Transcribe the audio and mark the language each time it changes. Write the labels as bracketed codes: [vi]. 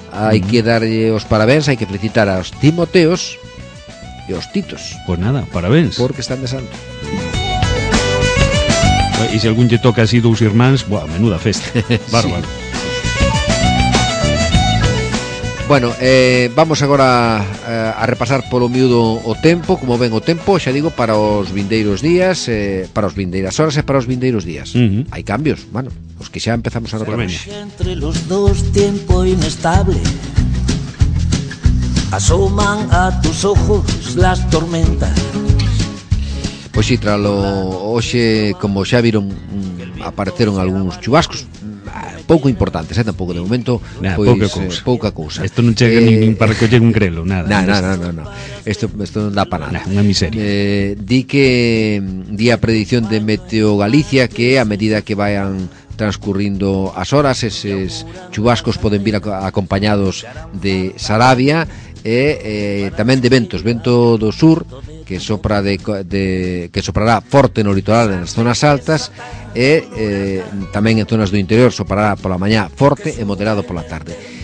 [gl] Hai que darlle os parabéns, hai que felicitar aos Timoteos e aos Titos. Pois nada, parabéns. Porque están de santo. E se algún lle toca así dous irmáns, boa, menuda festa. Bárbaro. Sí. Bueno, vamos agora a repasar polo miúdo o tempo, como ven o tempo, xa digo, para os vindeiros días, para os vindeiras horas e para os vindeiros días. Uh-huh. Hai cambios, bueno, os que xa empezamos a notar. [es] Entre los dos, tiempo inestable, asoman a tus ojos las tormentas. [gl] Pois si, tralo hoxe, como xa viron, apareceron algúns chubascos pouco importantes, é tampouco de momento, nada, pois, pouca cousa. Pouca cousa. Isto non chega nin para que chegue un grelo, nada. Nada. Isto non dá para nada. Nada, unha miseria. Di que di a predición de Meteo Galicia que a medida que vayan transcurrindo as horas, eses chubascos poden vir acompañados de sarabia e tamén de ventos, vento do sur que sopra que soprará forte no litoral nas zonas altas e tamén en zonas do interior soprará pola mañá forte e moderado pola tarde.